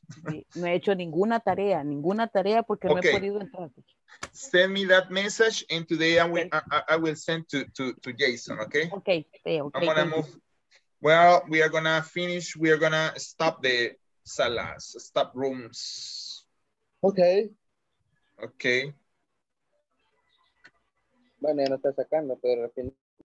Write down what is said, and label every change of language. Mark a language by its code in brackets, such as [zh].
[es] Sí, no he hecho ninguna tarea porque no he podido entrar. [en] Send me that message, and today I will send to Jason, okay? Okay. I'm gonna move. Well, we are gonna finish. We are gonna stop the salas, stop rooms. Okay. Okay. [es] Bueno, ya no está sacando, pero al final.